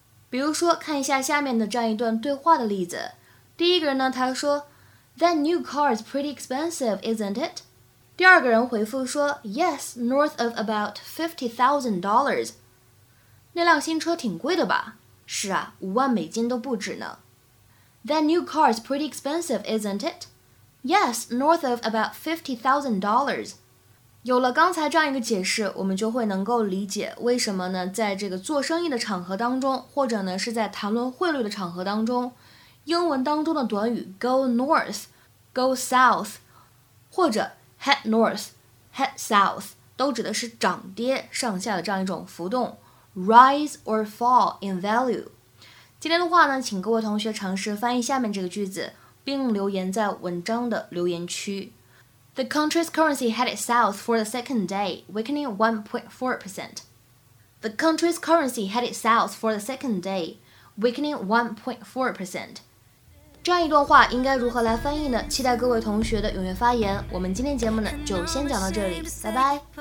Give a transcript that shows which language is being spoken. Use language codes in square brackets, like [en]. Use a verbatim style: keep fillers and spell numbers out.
[zh] 比如说，看一下下面的这样一段对话的例子。第一个人呢，他说 ， [en] That new car is pretty expensive, isn't it? [zh] 第二个人回复说 [en] Yes, north of about fifty thousand dollars。 [zh] 那辆新车挺贵的吧？是啊，五万美金都不止呢。 [en] That new car is pretty expensive, isn't it? Yes, north of about fifty thousand dollars。 [zh] 有了刚才这样一个解释，我们就会能够理解为什么呢，在这个做生意的场合当中，或者呢是在谈论汇率的场合当中，英文当中的短语 [en] go north, go south [zh] 或者 [en] head north, head south [zh] 都指的是涨跌上下的这样一种浮动 [en] rise or fall in value。 [zh] 今天的话呢，请各位同学尝试翻译下面这个句子，并留言在文章的留言区。 [en] The country's currency headed south for the second day, weakening one point four percent. The country's currency headed south for the second day, weakening one point four percent. [zh] 这样一段话应该如何来翻译呢？期待各位同学的踊跃发言。我们今天节目呢就先讲到这里，拜拜。